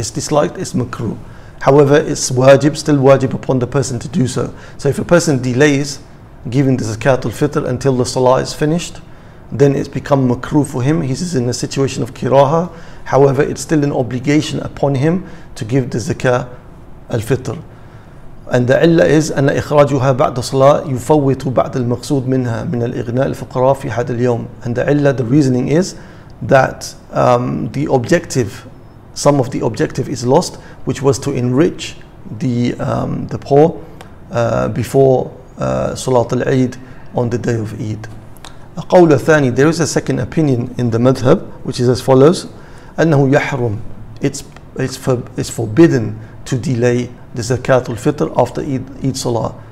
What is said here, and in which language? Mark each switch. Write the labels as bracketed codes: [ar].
[en] It's disliked, it's makruh. However, it's wajib, still wajib upon the person to do so. So if a person delays giving the zakat al-fitr until the salah is finished, then it's become makruh for him. He's in a situation of kiraha. However, it's still an obligation upon him to give the zakat al-fitr. And the illa is [ar] أن إخراجها بعد صلاة يفوت بعد المقصود منها من الإغناء الفقراء في هذا اليوم. [en] And the illa, the reasoning is that the objective, some of the objective is lost, which was to enrich the poor before Salat al-Eid on the day of Eid. [ar] قول ثاني, [en] there is a second opinion in the madhab, which is as follows: [ar] أنه يحرم, [en] it's forbidden to delay the zakat al-fitr after Eid Salah.